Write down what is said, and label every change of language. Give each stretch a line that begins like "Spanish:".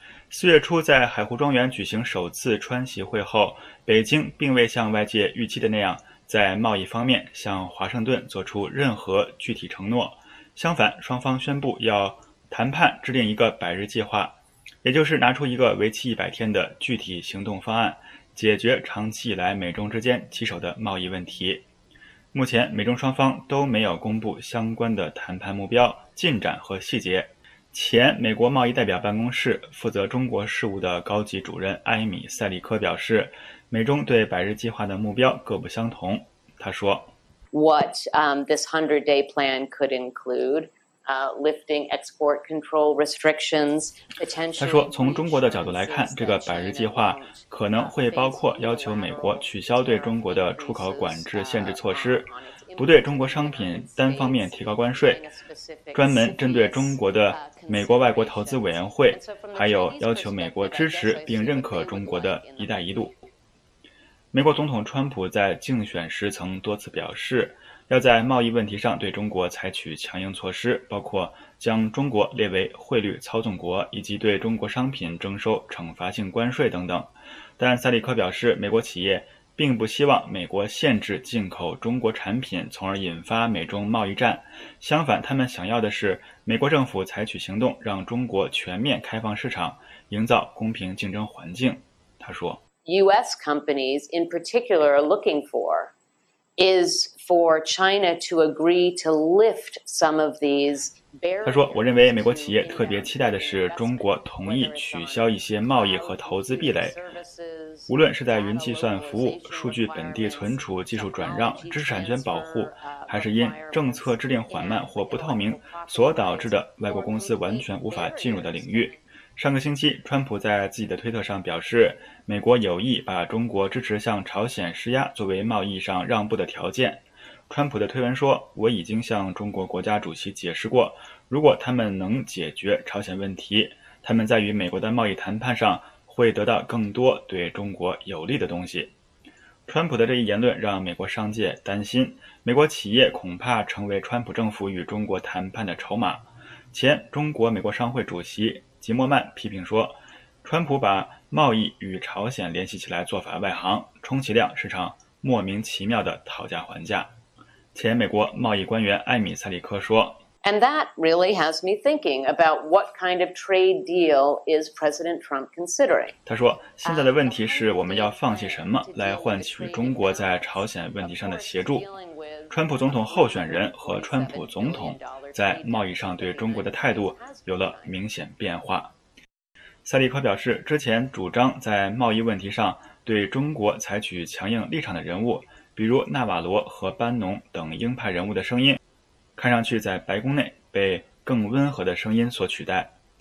Chinese: 四月初在海湖庄园举行首次川习会后，北京并未像外界预期的那样在贸易方面向华盛顿做出任何具体承诺，相反，双方宣布要谈判制定一个百日计划，也就是拿出一个为期100天的具体行动方案，解决长期以来美中之间棘手的贸易问题。目前美中双方都没有公布相关的谈判目标进展和细节。前美国贸易代表办公室负责中国事务的高级主任艾米·塞利科表示，美中对百日计划的目标各不相同。他说
English: What this 100-day plan could include lifting export control restrictions, potentially.
Chinese: 他说，从中国的角度来看，这个百日计划可能会包括要求美国取消对中国的出口管制限制措施，不对中国商品单方面提高关税，专门针对中国的美国外国投资委员会，还有要求美国支持并认可中国的一带一路。美国总统川普在竞选时曾多次表示，要在贸易问题上对中国采取强硬措施，包括将中国列为汇率操纵国，以及对中国商品征收惩罚性关税等等。但塞利科表示，美国企业并不希望美国限制进口中国产品，从而引发美中贸易战。相反，他们想要的是美国政府采取行动，让中国全面开放市场，营造公平竞争环境。他说
English: US companies in particular are looking for is for China to agree to lift some of these barriers.
Chinese: 他说，我认为美国企业特别期待的是中国同意取消一些贸易和投资壁垒，无论是在云计算服务、数据本地存储技术转让、知识产权保护，还是因政策制定缓慢或不透明所导致的外国公司完全无法进入的领域。上个星期，川普在自己的推特上表示，美国有意把中国支持向朝鲜施压作为贸易上让步的条件。川普的推文说，我已经向中国国家主席解释过，如果他们能解决朝鲜问题，他们在与美国的贸易谈判上会得到更多对中国有利的东西。川普的这一言论让美国商界担心，美国企业恐怕成为川普政府与中国谈判的筹码。前中国美国商会主席吉莫曼批评说，川普把贸易与朝鲜联系起来做法外行，充其量是场莫名其妙的讨价还价。前美国贸易官员艾米·塞利科说
English: And that really has me thinking about what kind of trade deal is President Trump considering.
Chinese: 他说，现在的问题是我们要放弃什么来换取中国在朝鲜问题上的协助。川普总统候选人和川普总统在贸易上对中国的态度有了明显变化。塞利科表示，之前主张在贸易问题上对中国采取强硬立场的人物，比如纳瓦罗和班农等鹰派人物的声音，看上去在白宫内被更温和的声音所取代。